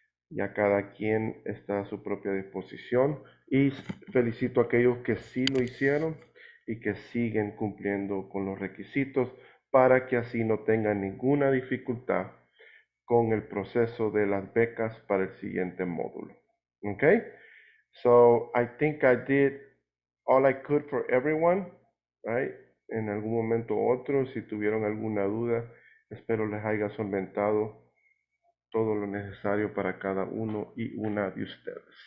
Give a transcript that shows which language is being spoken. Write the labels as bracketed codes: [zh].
[es] Ya cada quien está a su propia disposición. Y felicito a aquellos que sí lo hicieron y que siguen cumpliendo con los requisitos para que así no tengan ninguna dificultad con el proceso de las becas para el siguiente módulo. [en] Okay? So, I think I did all I could for everyone, right? [es] En algún momento u otro, si tuvieron alguna duda, espero les haya solventado todo lo necesario para cada uno y una de ustedes.